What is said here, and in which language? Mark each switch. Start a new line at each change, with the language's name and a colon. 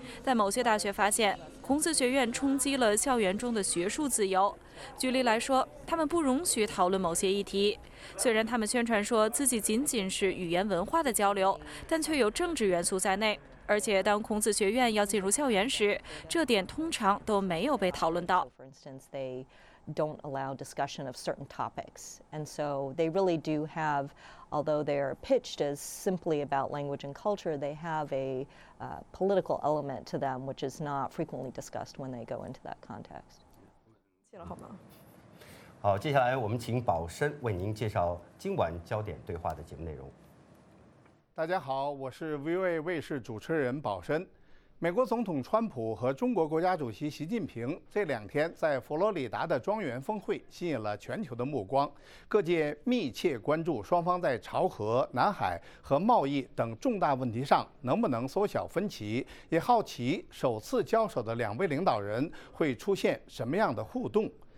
Chinese: 但某些大学发现，孔子学院冲击了校园中的学术自由。举例来说，他们不容许讨论某些议题，虽然他们宣传说自己仅仅是语言文化的交流，但却有政治元素在内。而且当孔子学院要进入校园时，这点通常都没有被讨论到。
English: For instance, they don't allow discussion of certain topics. And so they really do have, although they're pitched as simply about language and culture, they have a political element to them, which is not frequently discussed when they go into that context.
Chinese: 好，接下来我们请宝生为您介绍今晚焦点对话的节目内容。大家好，我是 VOA 卫视主持人宝申。美国总统川普和中国国家主席习近平这两天在佛罗里达的庄园峰会吸引了全球的目光，各界密切关注双方在朝核、南海和贸易等重大问题上能不能缩小分歧，也好奇首次交手的两位领导人会出现什么样的互动。